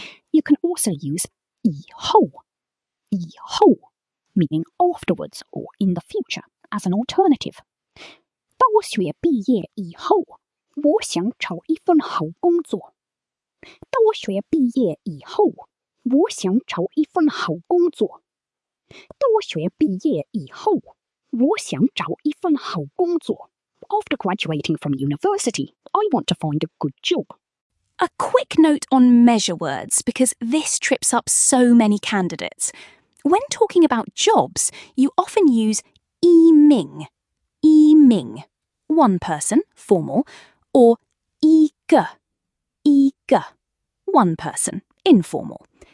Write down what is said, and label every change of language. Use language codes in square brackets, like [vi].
[en] You can also use 以后以后 meaning afterwards or in the future as an alternative. [zh] 大学毕业以后我想找一份好工作。大学毕业以后我想找一份好工作。大学毕业以后我想找一份好工作。 [en] After graduating from university, I want to find a good job. A quick note on measure words, because this trips up so many candidates. When talking about jobs, you often use 一名, 一名, one person, formal,Or 一个, 一个, one person, informal.